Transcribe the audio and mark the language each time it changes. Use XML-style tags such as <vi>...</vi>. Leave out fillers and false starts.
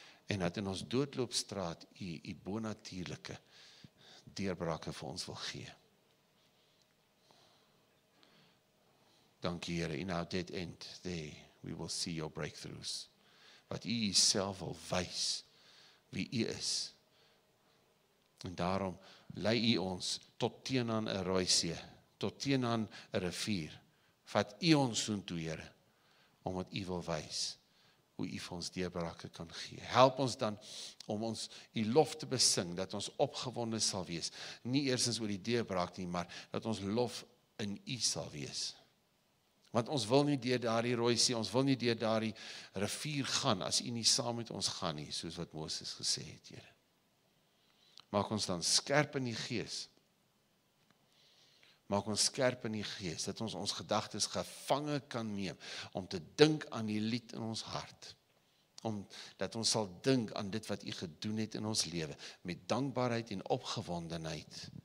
<af>En dat in ons doodloopstraat, die bonatuurlijke deurbrake vir ons wil gee. Dank je Heere,</af> <en>in our dead end day, we will see your breakthroughs.</en> <af>Wat u jezelf wil wys, wie u is. En daarom lei u ons tot teen aan 'n rooi see, tot teen aan 'n rivier. Vat u ons soen toe, Heere, omdat u wil wys hoe u vir ons deurbrake kan gee. Help ons dan om ons u lof te besing, dat ons opgewonde sal wees. Nie eersens oor die deurbraak nie, maar dat ons lof in u sal wees. Want ons wil nie deur daardie rooi see, ons wil nie deur daardie rivier gaan, as u nie saam met ons gaan nie, soos wat Moses gesê het, Heere. Maak ons dan skerp in die gees. Maak ons skerp in die gees, dat ons ons gedagtes gevange kan neem, om te dink aan die lied in ons hart. Om, dat ons sal dink aan dit wat U gedoen het in ons leven, met dankbaarheid en opgewondenheid.</af>